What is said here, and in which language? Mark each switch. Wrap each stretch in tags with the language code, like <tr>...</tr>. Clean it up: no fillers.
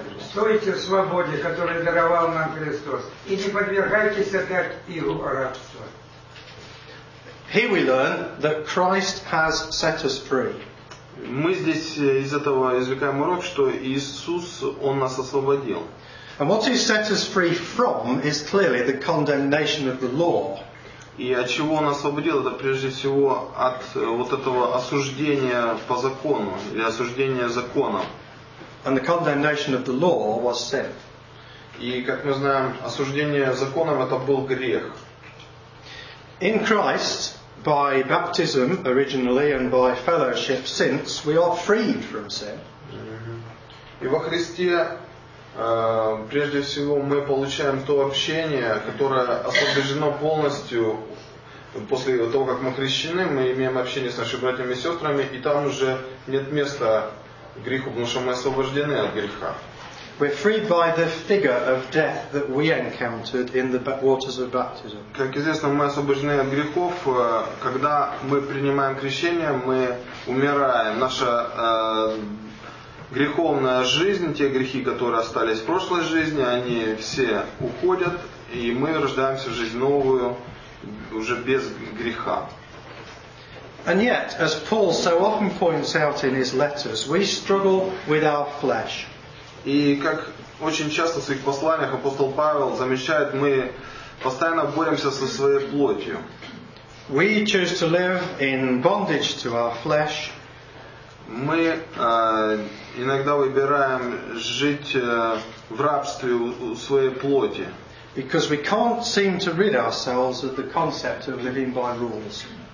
<ru>Стойте в свободе, которую даровал нам Христос, и не подвергайтесь опять игу рабства.</ru> <en>Here we learn that Christ has set us free.</en> <ru>Мы здесь из этого извлекаем урок, что Иисус, Он нас освободил.</ru> <en>And what He set us free from is clearly the condemnation of the law.</en> <ru>И от чего Он освободил, это прежде всего от вот этого осуждения по закону, или осуждения законом.</ru> <en>And the condemnation of the law was sin.</en> <ru>И как мы знаем, осуждение законом это был грех.</ru> <en>In Christ, by baptism originally and by fellowship since, we are freed from sin.</en> <ru>И во Христе прежде всего мы получаем то общение, которое освобождено полностью после того, как мы крещены, мы имеем общение с нашими братьями и сестрами, и там уже нет места греху, потому что мы освобождены от греха.</ru> <en>We're freed by the figure of death that we encountered in the waters of baptism.</en> <ru>Как известно, мы освобождены от грехов, когда мы принимаем крещение, мы умираем. Наша греховная жизнь, те грехи, которые остались в прошлой жизни, они все уходят, и мы рождаемся в жизнь новую, уже без греха.</ru> <en>And yet, as Paul so often points out in his letters, we struggle with our flesh.</en> <ru>И как очень часто в своих посланиях апостол Павел замечает, мы постоянно боремся со своей плотью.</ru> <en>We choose to live in bondage to our flesh.</en> <ru>Мы иногда выбираем жить в рабстве у своей плоти.</ru> <en>Because we can't seem to rid ourselves of the concept of living by rules.</en>